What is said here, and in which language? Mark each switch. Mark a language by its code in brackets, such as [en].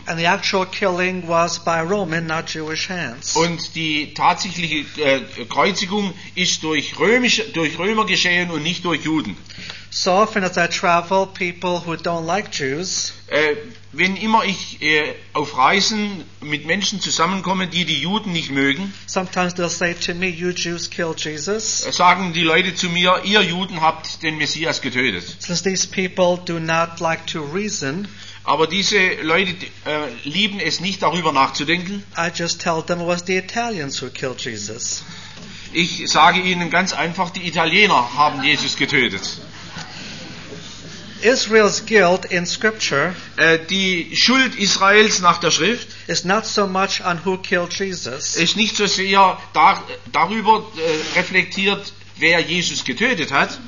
[en] And the actual killing was by Roman, not Jewish hands. [de] Und die tatsächliche Kreuzigung ist durch Römer geschehen und nicht durch Juden. [en] So often as I travel, people who don't like Jews. [de] Wenn immer ich auf Reisen mit Menschen zusammenkomme, die Juden nicht mögen, [en] sometimes they'll say to me, "You Jews killed Jesus." [de] Sagen die Leute zu mir, ihr Juden habt den Messias getötet. [en] Since these people do not like to reason. [de] Aber diese Leute lieben es nicht, darüber nachzudenken. [en] I just tell them it was the Italians who killed Jesus. [de] Ich sage ihnen ganz einfach, die Italiener haben Jesus getötet. [en] Israel's guilt in Scripture. [de] Die Schuld Israels nach der Schrift. [en] Is not so much on who killed Jesus. [de] Ist nicht so sehr darüber reflektiert, wer Jesus getötet hat.